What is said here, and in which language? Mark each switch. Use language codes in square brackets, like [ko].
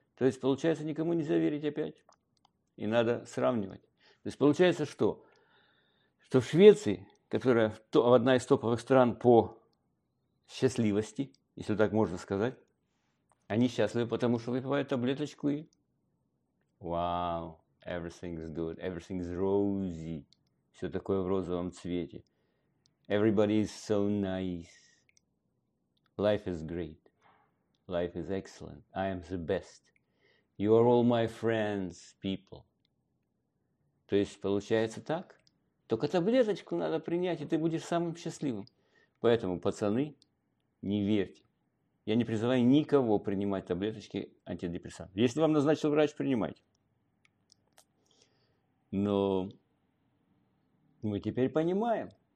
[ru] То есть, получается, никому нельзя верить опять. И надо сравнивать. То есть, получается, что? Что в Швеции, которая одна из топовых стран по счастливости, если так можно сказать, они счастливы, потому что выпивают таблеточку и... [en] Вау, everything is good, everything is rosy. [ru] Все такое в розовом цвете. [en] Everybody is so nice. Life is great. Life is excellent. I am the best. You are all my friends, people. [ru] То есть получается так? Только таблеточку надо принять, и ты будешь самым счастливым. Поэтому, пацаны, не верьте. Я не призываю никого принимать таблеточки антидепрессантов. Если вам назначил врач, принимайте. Но мы теперь понимаем.